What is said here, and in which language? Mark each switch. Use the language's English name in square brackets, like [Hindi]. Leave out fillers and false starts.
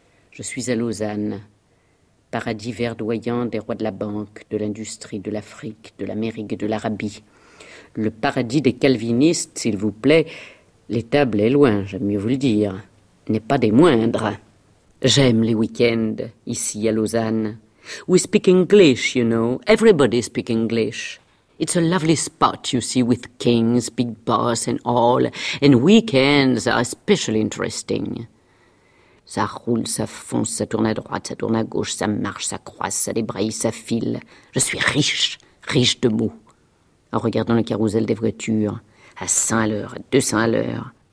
[French] Je suis à Lausanne, paradis verdoyant des rois de la banque, de l'industrie, de l'Afrique, de l'Amérique et de l'Arabie. Le paradis des calvinistes, s'il vous plaît, l'étable est loin, j'aime mieux vous le dire, n'est pas des moindres. J'aime les week-ends, ici à Lausanne. [English] We speak English, you know, everybody speak English. It's a lovely spot, you see, with kings, big boss and all, and weekends are especially interesting. [French] Ça roule, ça fonce, ça tourne à droite, ça tourne à gauche, ça marche, ça croise, ça débraye, ça file. Je suis riche, riche de mots. En regardant le carrousel des voitures, à 100 à l'heure, à 200 à l'heure.